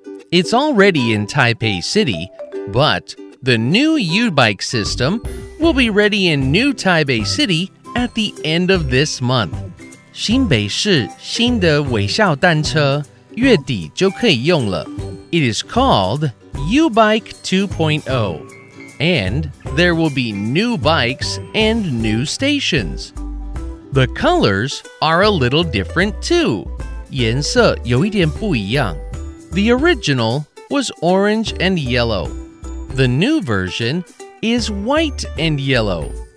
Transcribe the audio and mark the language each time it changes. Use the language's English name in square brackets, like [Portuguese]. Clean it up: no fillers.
[English] It's already in Taipei City, but the new YouBike system will be ready in New Taipei City at the end of this month. [Chinese] 新北市新的微笑单车月底就可以用了。 [English] It is called YouBike 2.0, and there will be new bikes and new stations. The colors are a little different too. [Chinese] 颜色有一点不一样。 [English] The original was orange and yellow. The new version is white and yellow.